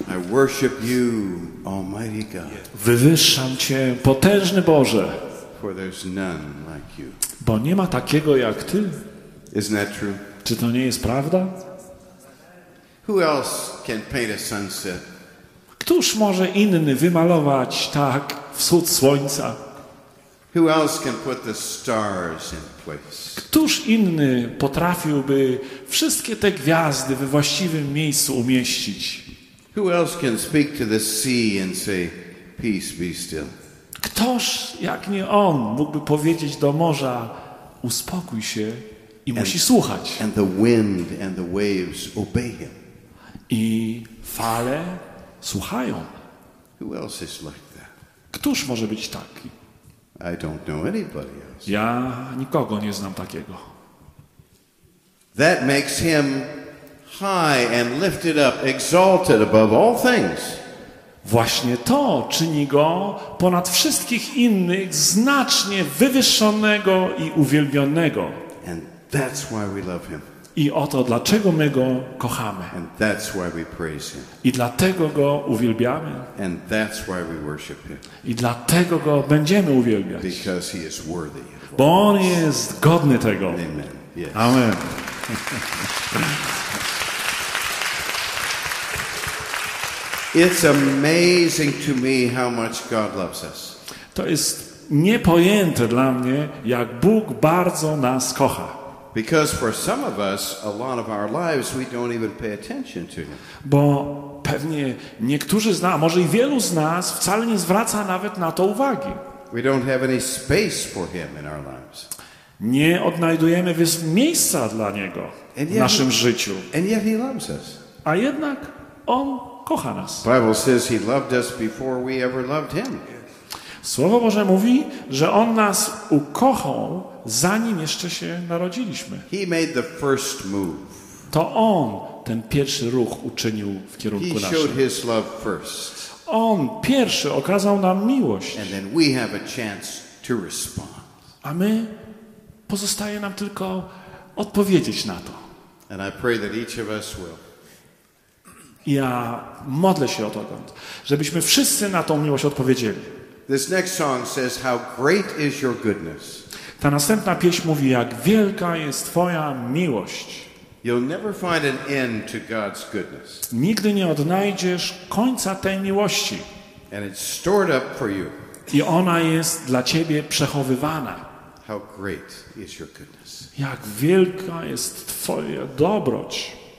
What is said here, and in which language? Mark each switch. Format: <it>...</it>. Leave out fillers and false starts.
<en>worship you, Almighty God.</en> <pl>Wywyższam Cię, potężny Boże.</pl> <en>For there's none like you.</en> <pl>Bo nie ma takiego jak Ty.</pl> <en>Isn't that true?</en> <pl>Czy to nie jest prawda?</pl> <en>Who else can paint a sunset?</en> <pl>Któż może inny wymalować tak wschód słońca?</pl> <en>Who else can put the stars in place?</en> <pl>Któż inny potrafiłby wszystkie te gwiazdy we właściwym miejscu umieścić?</pl> <en>Who else can speak to the sea and say, "Peace, be still"?</en> <pl>Któż, jak nie on, mógłby powiedzieć do morza, uspokój się i musi słuchać?</pl> <en>And the wind and the waves obey him.</en> <pl>I fale słuchają.</pl> <en>Who else is like that?</en> <pl>Któż może być taki?</pl> <en>I don't know anybody else.</en> <pl>Ja nikogo nie znam takiego.</pl> <en>That makes him high and lifted up, exalted above all things.</en> <pl>Właśnie to czyni go ponad wszystkich innych znacznie wywyższonego i uwielbionego.</pl> <en>And that's why we love him.</en> <pl>I oto dlaczego my go kochamy.</pl> <en>And that's why we praise him.</en> <pl>I dlatego go uwielbiamy.</pl> <en>And that's why we worship him.</en> <pl>I dlatego go będziemy uwielbiać.</pl> <en>Because he is worthy.</en> <pl>Bo on jest godny tego.</pl> <en>Amen. Yes. Amen. It's amazing to me how much God loves us.</en> <pl>To jest niepojęte dla mnie, jak Bóg bardzo nas kocha.</pl> <en>Because for some of us, a lot of our lives, we don't even pay attention to him.</en> <pl>Bo pewnie niektórzy z nas, może i wielu z nas, wcale nie zwraca nawet na to uwagi.</pl> <en>We don't have any space for him in our lives.</en> <pl>Nie odnajdujemy miejsca dla niego w naszym życiu.</pl> <en>And yet he loves us.</en> <pl>A jednak on kocha nas.</pl> <en>Bible says he loved us before we ever loved him.</en> <pl>Słowo Boże mówi, że on nas ukochał zanim jeszcze się narodziliśmy.</pl> <en>He made the first move.</en> <pl>To on ten pierwszy ruch uczynił w kierunku naszym.</pl> <en>He showed his love first.</en> <pl>On pierwszy okazał nam miłość.</pl> <en>And then we have a chance to respond.</en> <pl>A my pozostaje nam tylko odpowiedzieć na to.</pl> <en>And I pray that each of us will.</en> <pl>Ja modlę się o to, żebyśmy wszyscy na tą miłość odpowiedzieli.</pl> <en>This next song says, "How great is your goodness."</en> <pl>Ta następna pieśń mówi, jak wielka jest Twoja miłość.</pl> <en>You'll never find an end to God's goodness.</en> <pl>Nigdy nie odnajdziesz końca tej miłości.</pl> <en>And it's stored up for you.</en> <pl>I ona jest dla Ciebie przechowywana.</pl> <en>How great is your goodness.</en> <pl>Jak wielka jest Twoja dobroć.</pl>